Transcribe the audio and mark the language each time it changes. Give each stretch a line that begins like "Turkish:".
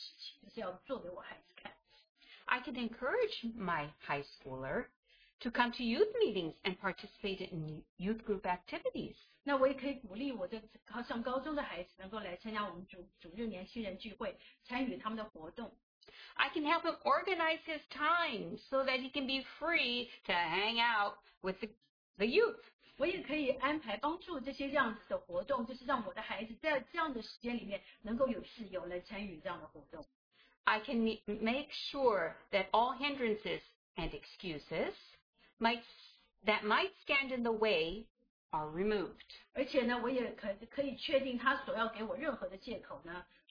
Chinese: 那作为一个家庭呢，我要做我该做的榜样，就是让我的孩子看见，在主日呢，这个是首要重要的事情，就是要做给我孩子看。
English: I can encourage my high schooler to come to youth meetings and participate in youth group activities.
Chinese: 那我也可以鼓励我的上高中的孩子能够来参加我们主日年轻人聚会，参与他们的活动。
English: I can help him organize his time so that he can be free to hang out with the youth.
Chinese: 我也可以安排帮助这些这样子的活动，就是让我的孩子在这样的时间里面能够有自由来参与这样的活动。
English: I can make sure that all hindrances and excuses that might stand in the way are removed.
Chinese: 而且呢，我也可以确定他所要给我任何的借口呢。